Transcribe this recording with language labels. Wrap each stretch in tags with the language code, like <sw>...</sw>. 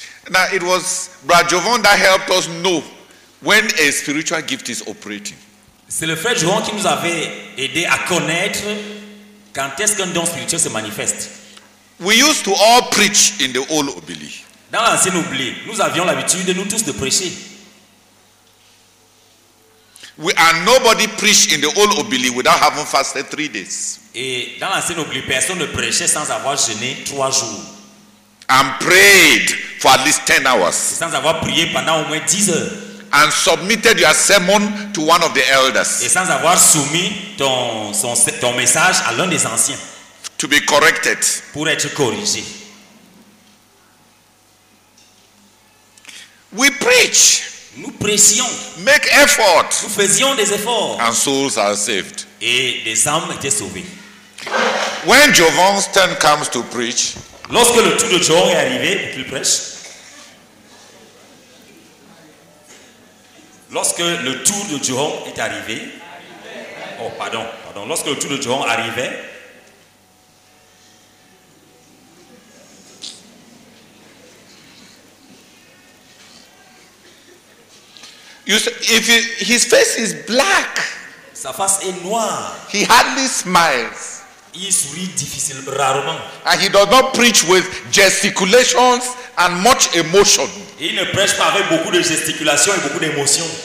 <en>Now, it was Brad Jovon that helped us know when a spiritual gift is operating.</en> <fr>C'est le frère Jovon qui nous avait aidé à connaître quand est-ce qu'un don spirituel se manifeste.</fr> <en>We used to all preach in the old Obili.</en> <fr>Dans l'ancien Obili, nous avions l'habitude de nous tous de prêcher.</fr> <en>We and nobody preached in the old Obili without having fasted 3 days.</en> <fr>Et dans l'ancien Obili, personne ne prêchait sans avoir jeûné 3 jours.</fr> <en>And prayed for at least 10 hours.</en> <fr>Et sans avoir prié pendant au moins 10 heures.</fr> <en>And submitted your sermon to one of the elders.</en> <fr>Et sans avoir soumis ton message à l'un des anciens.</fr> <en>To be corrected.</en> <fr>Pour être corrigé.</fr> <en>We preach.</en> <fr>Nous prêchions.</fr> <en>Make effort.</en> <fr>Nous faisions des efforts.</fr> <en>And souls are saved.</en> <fr>Et des âmes étaient sauvées.</fr> <en>When Jovon's turn comes to preach.</en> <fr>Lorsque le tour de Jovon est arrivé pour qu'il prêche. Lorsque le tour de Jovon est arrivé. Oh, pardon. Lorsque le tour de Jovon arrivait.</fr> <en>You see, if his face is black.</en> <fr>Sa face est noire.</fr> <en>He hardly smiles.</en> <fr>Il sourit difficilement, rarement.</fr> <en>And he does not preach with gesticulations and much emotion.</en> <fr>Il ne prêche pas avec beaucoup de gesticulations et beaucoup d'émotions.</fr>